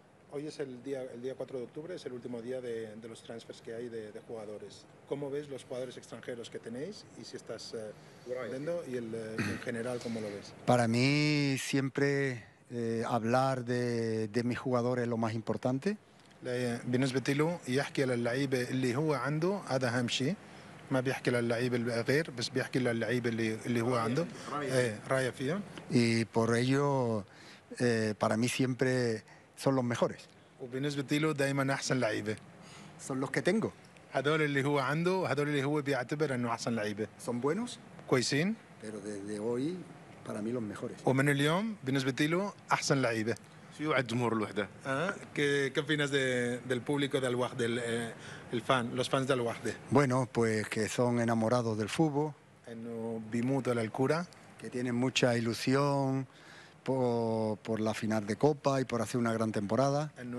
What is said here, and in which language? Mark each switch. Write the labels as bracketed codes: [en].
[es] Hoy es el día 4 de octubre, es el último día de los transfers que hay de jugadores. ¿Cómo ves los jugadores extranjeros que tenéis y si estás viendo y en general cómo lo ves? Para mí siempre hablar de mis jugadores es lo más importante. [ar] بالنسبة له يحكي للعيبة اللي هو عنده هذا أهم شيء. ما بيحكي للعيبة غير بس بيحكي للعيبة اللي هو عنده. رأي فيها. [es] Y por ello para mí siempre son los mejores. [ar] وبالنسبة له دائما أحسن لعيبة. [es] Son los que tengo. [ar] هذول اللي هو عنده وهذول اللي هو بيعتبر إنه أحسن لعيبة. [es] Son buenos. [ar] كويسين. [es] Pero desde hoy para mí los mejores. [ar] ومن اليوم بالنسبة له أحسن لعيبة. شو يوعد جمهور الوحدة؟ [es] ¿Qué opinas del público del Wahda, el fan, los fans del Wahda? Bueno, pues que son enamorados del fútbol. En bimuto la alcura. Que tienen mucha ilusión. Por la final de Copa y por hacer una gran temporada.